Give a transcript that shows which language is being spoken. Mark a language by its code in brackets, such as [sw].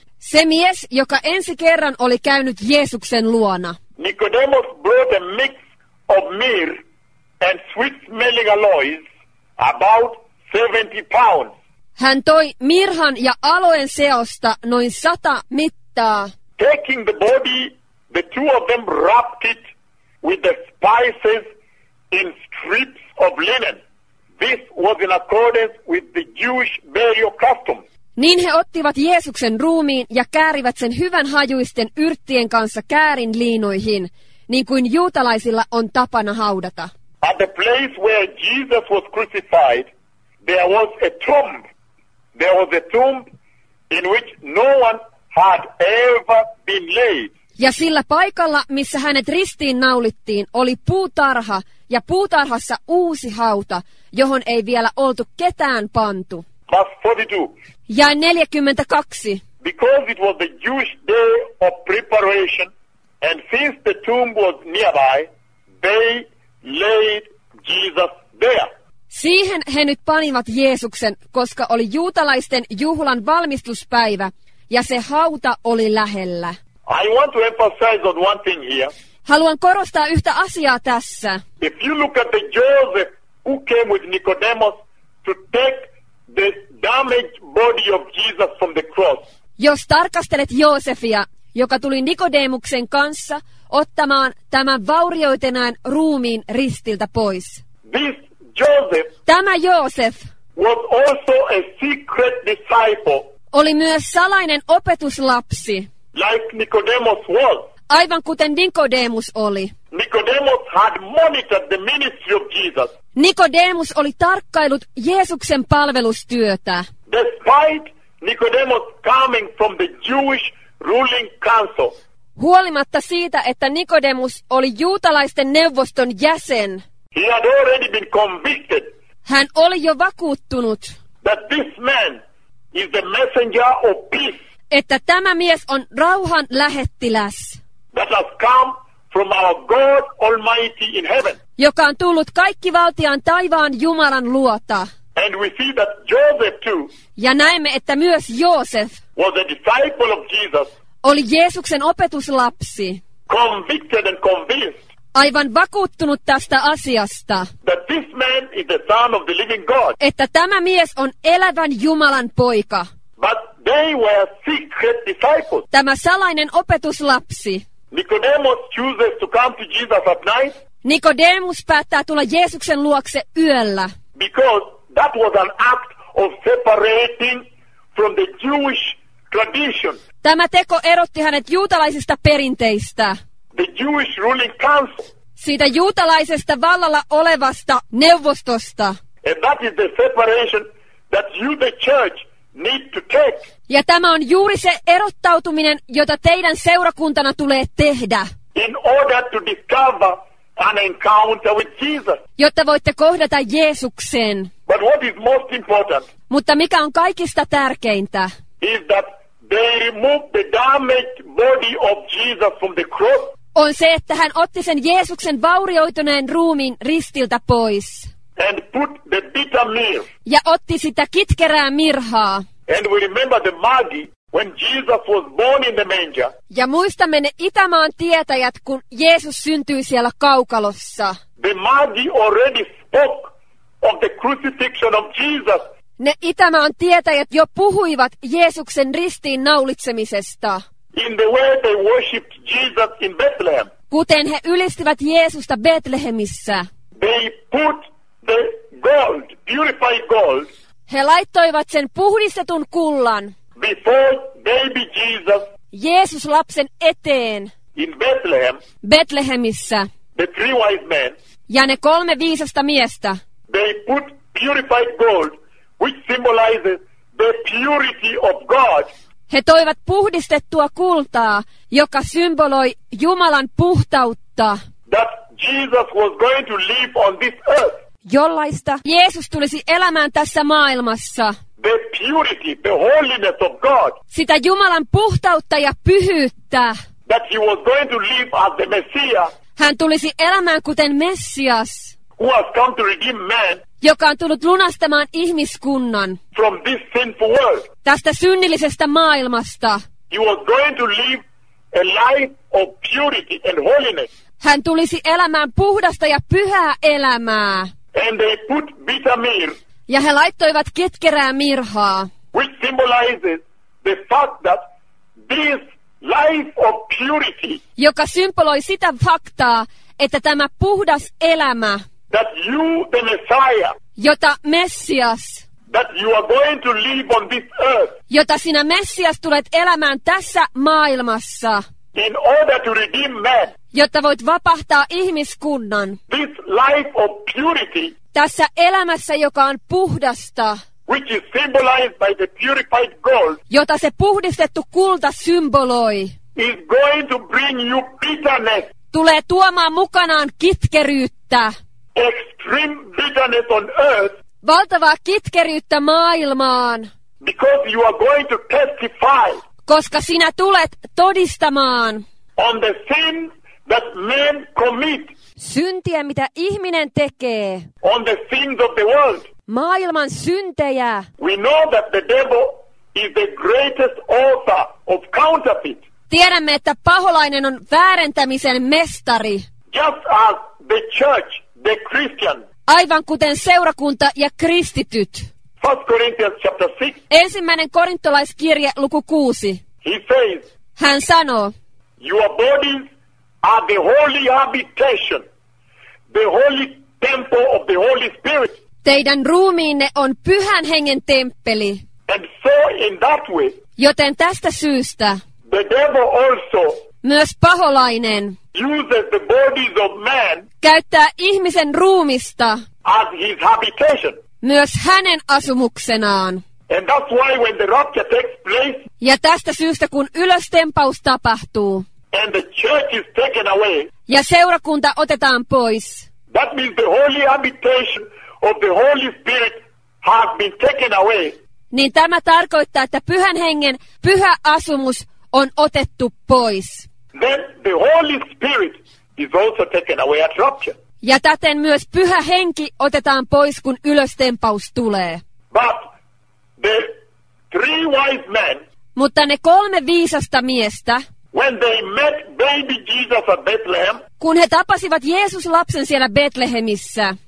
[fi] Se mies, joka ensi kerran oli käynyt Jeesuksen luona. [en] Nicodemus brought a mix of myrrh and sweet-smelling aloes, about 70 pounds. [fi] Hän toi mirhan ja aloen seosta noin 100 mittaa. [en] Taking the body, the two of them wrapped it with the spices in strips of linen. This was in accordance with the Jewish burial custom. [fi] Niin he ottivat Jeesuksen ruumiin ja käärivät sen hyvän hajuisten yrttien kanssa käärin liinoihin, niin kuin juutalaisilla on tapana haudata. [en] At the place where Jesus was crucified, there was a tomb. There was a tomb in which no one had ever been laid. [fi] Ja sillä paikalla, missä hänet ristiin naulittiin, oli puutarha ja puutarhassa uusi hauta, johon ei vielä oltu ketään pantu. [en] Verse 42. [fi] Ja 42. [en] Because it was the Jewish day of preparation, and since the tomb was nearby, they laid Jesus there. [fi] Siihen he nyt panivat Jeesuksen, koska oli juutalaisten juhlan valmistuspäivä, ja se hauta oli lähellä. [en] I want to emphasize on one thing here. [fi] Haluan korostaa yhtä asiaa tässä. [en] If you look at the Joseph who came with Nicodemus to take the damaged body of Jesus from the cross. [fi] Jos tarkastelet Joosefia, joka tuli Nikodemuksen kanssa ottamaan tämän vaurioitenään ruumiin ristiltä pois. [en] This Joseph. [fi] Tämä Joseph [en] was also a secret disciple. [fi] Oli myös salainen opetuslapsi. [en] Like Nicodemus was. [fi] Aivan kuten Nicodemus oli. [en] Nicodemus had monitored the ministry of Jesus. [fi] Nicodemus oli tarkkaillut Jeesuksen palvelustyötä. [en] Despite Nicodemus coming from the Jewish ruling council. [fi] Huolimatta siitä, että Nicodemus oli juutalaisten neuvoston jäsen. [en] He had already been convicted. [fi] Hän oli jo vakuuttunut. [en] That this man is the messenger of peace. [fi] Että tämä mies on rauhan lähettiläs. [en] That has come from our God Almighty in heaven. [fi] Joka on tullut kaikkivaltiaan taivaan Jumalan luota. [en] And we see that Joseph too. [fi] Ja näemme, että myös Joseph [en] was a disciple of Jesus. [fi] Oli Jeesuksen opetuslapsi. [en] Convicted and convinced. [fi] Aivan vakuuttunut tästä asiasta. [en] That this man is the son of the living God. [fi] Että tämä mies on elävän Jumalan poika. [en] But they were secret disciples. [fi] Tämä salainen opetuslapsi. [en] Nicodemus chooses to come to Jesus at night. [fi] Nicodemus päättää tulla Jeesuksen luokse yöllä. [en] Because that was an act of separating from the Jewish tradition. [fi] Tämä teko erotti hänet juutalaisista perinteistä. [en] The Jewish ruling council. [fi] Siitä juutalaisesta vallalla olevasta neuvostosta. [en] And that is the separation that you, the church, need to take. [fi] Ja tämä on juuri se erottautuminen, jota teidän seurakuntana tulee tehdä. [en] In order to discover an encounter with Jesus. [fi] Jotta voitte kohdata Jeesuksen. [en] But what is most important? [fi] Mutta mikä on kaikista tärkeintä? [en] Is that they removed the damaged body of Jesus from the cross? [fi] On se, että hän otti sen Jeesuksen vaurioituneen ruumiin ristiltä pois. [en] And put the bitter myrrh. [fi] Ja otti sitä kitkerää mirhaa. [en] And we remember the Magi when Jesus was born in the manger. [fi] Ja muistamme ne Itämaan tietäjät, kun Jeesus syntyi siellä kaukalossa. [en] The Magi already spoke of the crucifixion of Jesus. [fi] Ne Itämaan tietäjät jo puhuivat Jeesuksen ristiin naulitsemisesta. [en] In the way they worshipped Jesus in Bethlehem. [fi] Kuten he ylistivät Jeesusta Betlehemissä. [en] They put the gold, purified gold. [fi] He laittoivat sen puhdistetun kullan. [en] Before baby Jesus. [fi] Jeesus lapsen eteen. [en] In Bethlehem. [fi] Betlehemissä. [en] The three wise men. [fi] Ja ne kolme viisasta miestä. [en] They put purified gold, which symbolizes the purity of God. [fi] He toivat puhdistettua kultaa, joka symboloi Jumalan puhtautta. [en] That Jesus was going to live on this earth. [fi] Jollaista Jeesus tulisi elämään tässä maailmassa. [en] the purity, the holiness of God. [fi] Sitä Jumalan puhtautta ja pyhyyttä. [en] That he was going to live as the Messiah. [fi] Hän tulisi elämään kuten Messias. [en] Who has come to redeem man. [fi] Joka on tullut lunastamaan ihmiskunnan. [en] From this sinful world. [fi] Tästä synnillisestä maailmasta. [en] He was going to live a life of purity and holiness. [fi] Hän tulisi elämään puhdasta ja pyhää elämää. [en] And they put bitter myrrh. [fi] Ja he laittoivat ketkerää mirhaa. [en] Which symbolizes the fact that this life of purity. [fi] Joka symboloi sitä faktaa, että tämä puhdas elämä. [en] That you, the Messiah. [fi] Jota Messias. [en] That you are going to live on this earth. [fi] Jota sinä Messias tulet elämään tässä maailmassa. [en] In order to redeem man. [fi] Jotta voit vapahtaa ihmiskunnan. [en] This life of purity. [fi] Tässä elämässä, joka on puhdasta. [en] Which is symbolized by the purified gold. [fi] Jota se puhdistettu kulta symboloi. [en] Is going to bring you bitterness. [fi] Tulee tuomaan mukanaan kitkeryyttä. [en] Extreme bitterness on earth. [fi] Valtavaa kitkeryyttä maailmaan. [en] Because you are going to testify. [fi] Koska sinä tulet todistamaan. [en] On the sin that men commit. [fi] Syntiä, mitä ihminen tekee. [en] On the sins of the world. [fi] Maailman syntejä. [en] We know that the devil is the greatest author of counterfeit. [fi] Tiedämme, että paholainen on väärentämisen mestari. [en] Just as the church, the Christian. [fi] Aivan kuten seurakunta ja kristityt. [en] 1 Corinthians chapter 6. [fi] Ensimmäinen korintolaiskirje luku 6. [en] He says. [fi] Hän sanoo. [en] Your bodies are the holy habitation, the holy temple of the Holy Spirit. [fi] Teidän ruumiinne on Pyhän Hengen temppeli. [en] And so in that way. [fi] Joten tästä syystä. [en] The devil also. [fi] Myös paholainen. [en] Uses the bodies of man. [fi] Käyttää ihmisen ruumista. [en] As his habitation. [fi] Myös hänen asumuksenaan. [en] And that's why when the rapture takes place. [fi] Ja tästä syystä kun ylöstempaus tapahtuu. [en] And the church is taken away. [fi] Ja seurakunta otetaan pois. [en] That means the holy habitation of the Holy Spirit has been taken away. [fi] Niin tämä tarkoittaa, että Pyhän Hengen pyhä asumus on otettu pois. [en] Then the Holy Spirit is also taken away at rapture. [fi] Ja täten myös Pyhä Henki otetaan pois, kun ylöstempaus tulee. [en] But the three wise men. [fi] Mutta ne kolme viisasta miestä. [en] When they met baby Jesus at Bethlehem. [fi] Kun he tapasivat Jeesus lapsen siellä Betlehemissä.